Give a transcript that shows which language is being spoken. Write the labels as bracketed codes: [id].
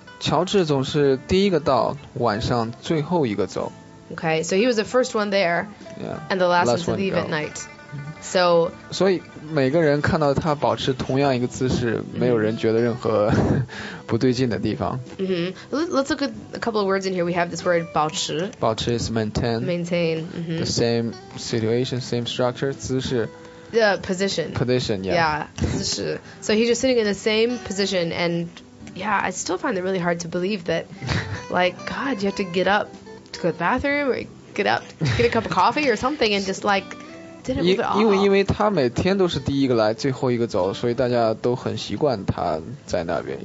[zh] 乔治总是第一个到晚上最后一个走 [en] Okay, so he was the first one there Yeah. And the last one to leave at night So [zh] 所以每个人看到他保持同样一个姿势、mm-hmm. 没有人觉得任何不对劲的地方、 [en] mm-hmm. Let's look at a couple of words in here We have this word 保持保持 is maintain Maintain、mm-hmm. The same situation, same structure, 姿势 The position. Position, yeah. Yeah. So he's just sitting in the same position, and yeah, I still find it really hard to believe that, like, God, you have to get up to go to the bathroom or get up to get a cup of coffee or something and just, like, didn't move at all. [zh] 因为他每天都是第一个来最后一个走所以大家都很习惯他在那边、